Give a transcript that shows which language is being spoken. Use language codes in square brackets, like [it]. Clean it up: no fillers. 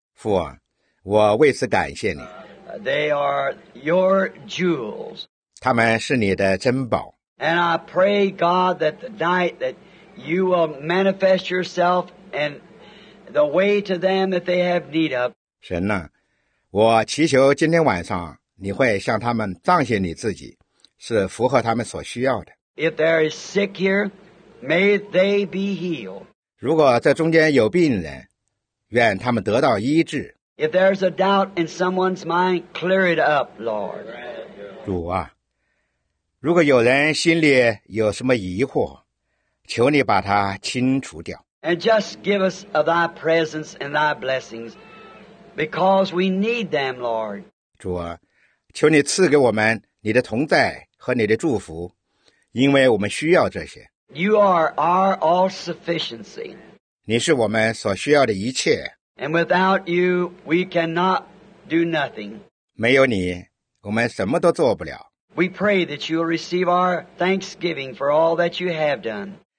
[zh] 父啊, 我为此感谢你。 [en] They are your jewels. [zh] 他们是你的珍宝。 [en] And I pray, God, that the night that you will manifest yourself and the way to them that they have need of. [zh] 神啊, 我祈求今天晚上你会向他们彰显你自己, 是符合他们所需要的。 [en] If there is sick here, may they be healed. [zh] 如果这中间有病人, 愿他们得到医治。 [en] If there is a doubt in someone's mind, clear it up, Lord. [zh] 主啊, 如果有人心里有什么疑惑, 求你把它清除掉。 [en] And just give us of thy presence and thy blessings, because we need them, Lord. [zh] 主啊, 求你赐给我们你的同在和你的祝福, 因为我们需要这些。 [en] You are our all-sufficiency. [zh] 你是我们所需要的一切。 [en] And without you, we cannot do nothing. [zh] 没有你, 我们什么都做不了。 [en] We pray that you will receive our thanksgiving for all that you have done.